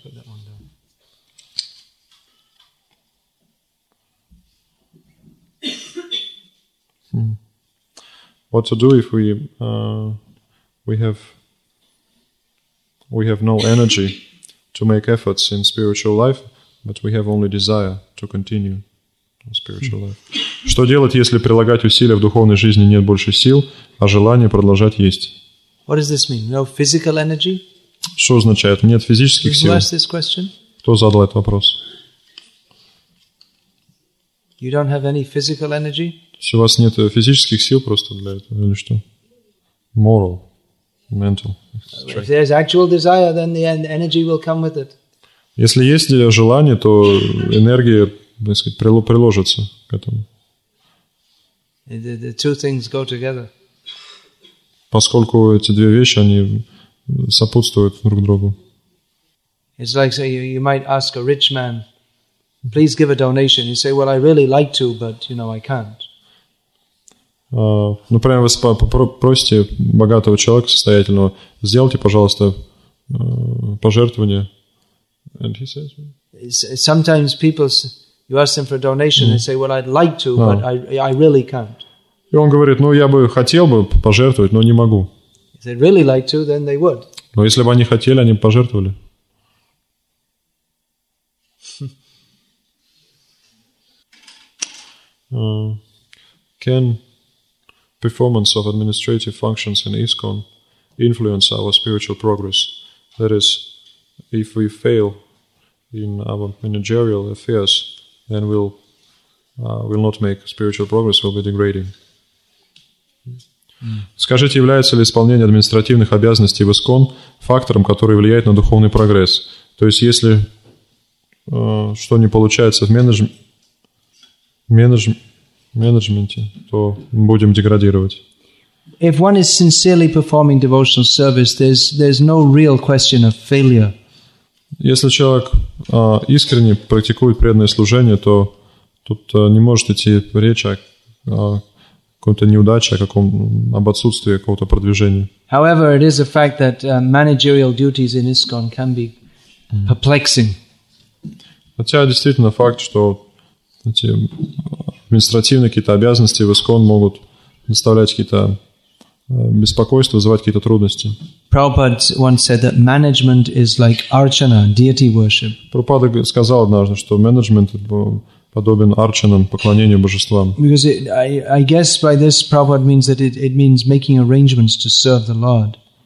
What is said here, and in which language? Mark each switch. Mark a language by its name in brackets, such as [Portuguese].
[English] Put that one down. What to do if we have no energy to make efforts in spiritual life, but we have only desire to continue? Spiritual life. [Russian] Что делать, если прилагать усилия в духовной жизни нет больше сил, а желание продолжать есть? [English] What does this mean? No physical energy? [Russian] Что означает? Нет физических сил? [English] Who asked this question? [Russian] Кто задал этот вопрос? [English] You don't have any physical energy? [Russian] У вас нет физических сил просто для этого или что? [English] Moral, mental. If there's actual desire, then the energy will come with it. [Russian] Если есть желание, то энергия приложится к этому. [English] The two things go together. [Russian] Поскольку эти две вещи, они сопутствуют друг другу. [English] It's like, say, you might ask a rich man, please give a donation. You say, well, I really like to, but, you know, I can't. [Russian] Например, вы просите богатого человека, состоятельного, сделайте, пожалуйста, пожертвование. [English] And he says... Sometimes people... You ask them for a donation, they say, well, I'd like to, but I really can't. [Russian] И он говорит, ну, я бы хотел бы пожертвовать, но не могу. [English] If they'd really like to, then they would. [Russian] Но если бы они хотели, они бы пожертвовали. [English] Can performance of administrative functions in ISKCON influence our spiritual progress? That is, if we fail in our managerial affairs, then we'll not make spiritual progress, we'll be degrading. [Russian] Скажите, является ли исполнение административных обязанностей в ИСКОН фактором, который влияет на духовный прогресс? То есть, если что не получается в менеджменте, то мы будем деградировать. [English] If one is sincerely performing devotional service, there's no real question of failure. [Russian] Если человек искренне практикует преданное служение, то тут не может идти речь о какой-то неудаче, об отсутствии какого-то продвижения. [English] However, it is a fact that managerial duties in ISKCON can be perplexing. [Russian] Хотя действительно факт, что эти административные какие-то обязанности в ИСКОН могут доставлять какие-то беспокойства, вызывать какие-то трудности. [English] Prabhupada once said that management is like archana, deity worship. [Russian] Прабхупада сказал однажды, что менеджмент подобен арчанам, поклонению божествам. [English] Because I guess by this Prabhupada means that it means making arrangements to serve the Lord.